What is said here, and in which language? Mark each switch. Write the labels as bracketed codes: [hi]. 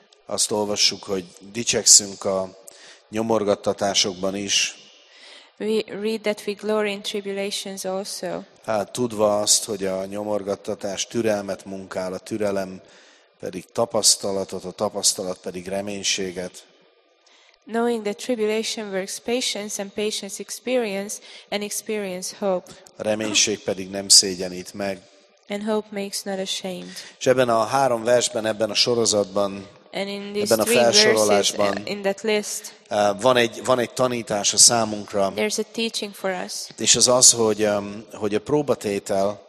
[hu] azt olvassuk, hogy dicsekszünk a nyomorgattatásokban is. [en] We read that we glory in tribulations also. [hu] Hát tudva azt, hogy a nyomorgattatás türelmet munkál, a türelem pedig tapasztalatot, a tapasztalat pedig reménységet. [en] Knowing that tribulation works patience and patience experience and experience hope. [hu] A reménység pedig nem szégyenít meg. [en] And hope makes not ashamed. [hu] És ebben a három versben, ebben a sorozatban, [en] and in these [hu] ebben a felsorolásban [en] in that list, [hu] van egy tanítás a számunkra. [en] There's a teaching for us. [hu] És az az, hogy a próbatétel,